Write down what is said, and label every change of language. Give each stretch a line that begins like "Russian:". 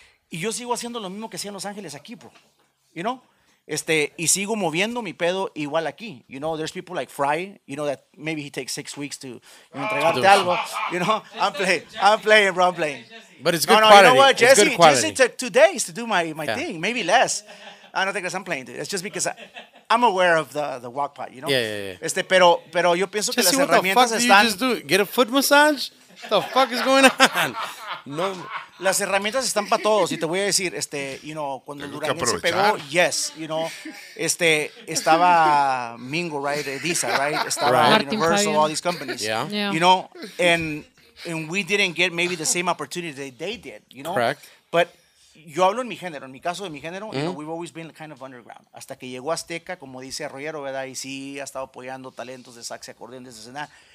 Spanish: Y yo sigo haciendo lo mismo que hacía en Los Ángeles aquí, bro.
English: You know?
Spanish: Y sigo moviendo mi pedo igual aquí.
English: You know, there's people like Fry, you know, that maybe he takes 6 weeks to, you know,
Spanish: entregarte algo.
English: You know, I'm playing, bro. But it's good quality. You know what, Jesse? Jesse took 2 days to do my thing, maybe less. I don't think that I'm playing, dude. It's just because I'm aware of the walk part, you know? Yeah.
Spanish: Pero yo pienso
English: Jesse,
Spanish: que las herramientas están...
English: Jesse, what the fuck did you just do? Get a foot massage? What the fuck is going on?
Spanish: No. Las herramientas están para todos. Y te voy a decir,
English: you know,
Spanish: cuando el Duranguense se pegó,
English: yes, you know,
Spanish: estaba Mingo,
English: right? Edisa, right?
Spanish: Estaba
English: right. Universal, all these companies. Yeah. You know, and we didn't get maybe the same opportunity that they did, you know? Correct.
Spanish: But... Yo hablo en mi género, en mi caso de mi género,
English: you know, we've always been kind of underground.
Spanish: Hasta que llegó Azteca, como dice Arroyero, ¿verdad? Y sí, ha estado apoyando talentos de sax y acordeón desde escena.